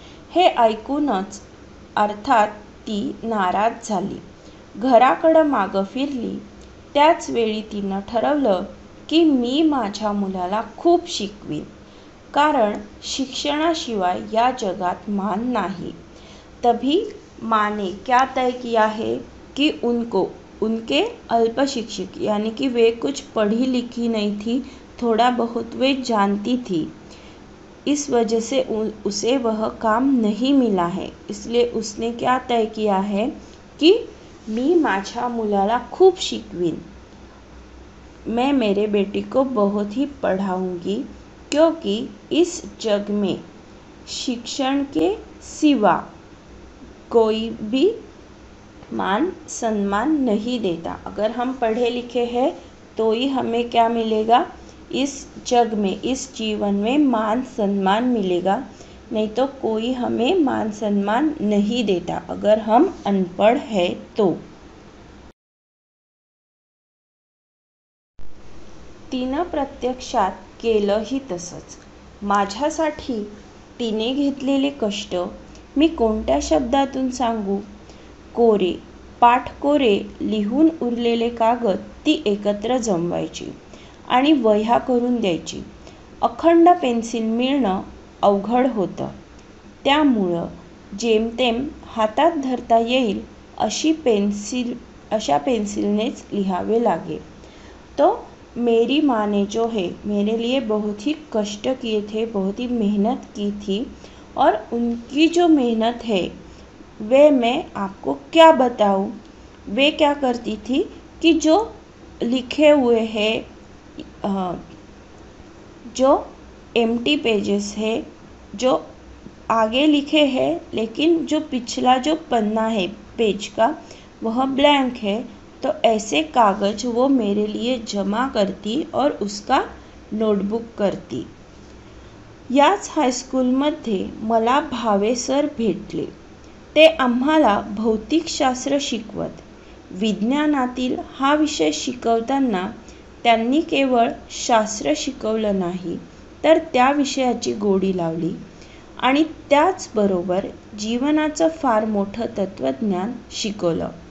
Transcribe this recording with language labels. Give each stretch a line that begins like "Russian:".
Marathi: हे ऐकूनच अर्थात ती नाराज झाली, घराकडं मागं फिरली। त्याच वेळी तिनं ठरवलं की मी माझ्या मुलाला खूप शिकवीन, कारण शिक्षणाशिवाय या जगात मान नाही।
Hindi: तभी माँ ने क्या तय किया है कि उनको उनके अल्पशिक्षित, यानी कि वे कुछ पढ़ी लिखी नहीं थी, थोड़ा बहुत वे जानती थी, इस वजह से उसे वह काम नहीं मिला है। इसलिए उसने क्या तय किया है कि
Marathi: मी माझ्या मुलाला खूप शिकवीन,
Hindi: मैं मेरे बेटी को बहुत ही पढ़ाऊंगी, क्योंकि इस जग में शिक्षण के सिवा कोई भी मान सम्मान नहीं देता। अगर हम पढ़े लिखे हैं तो ही हमें क्या मिलेगा इस जग में, इस जीवन में मान सम्मान मिलेगा, नहीं तो कोई हमें मान सम्मान नहीं देता अगर हम अनपढ़ है तो।
Marathi: तिनं प्रत्यक्षात केलंही तसंच। माझ्यासाठी तिने घेतलेले कष्ट मी कोणत्या शब्दातून सांगू। कोरे पाठकोरे लिहून उरलेले कागद ती एकत्र जमवायची आणि वह्या करून द्यायची। अखंड पेन्सिल मिळणं अवघड होतं, त्यामुळं जेमतेम हातात धरता येईल अशा पेन्सिलनेच लिहावे लागे।
Hindi: तो मेरी माँ ने जो है मेरे लिए बहुत ही कष्ट किए थे, बहुत ही मेहनत की थी, और उनकी जो मेहनत है वे मैं आपको क्या बताऊँ। वे क्या करती थी कि जो लिखे हुए है जो एम्प्टी पेजेस है, जो आगे लिखे है लेकिन जो पिछला जो पन्ना है पेज का वह ब्लैंक है, तो ऐसे कागज वो मेरे लिए जमा करती और उसका नोटबुक करती।
Marathi: याच हायस्कूलमध्ये मला भावे सर भेटले, ते आम्हाला भौतिकशास्त्र शिकवत। विज्ञानातील हा विषय शिकवताना त्यांनी केवळ शास्त्र शिकवलं नाही तर त्या विषयाची गोडी लावली आणि त्याचबरोबर जीवनाचं फार मोठं तत्वज्ञान शिकवलं।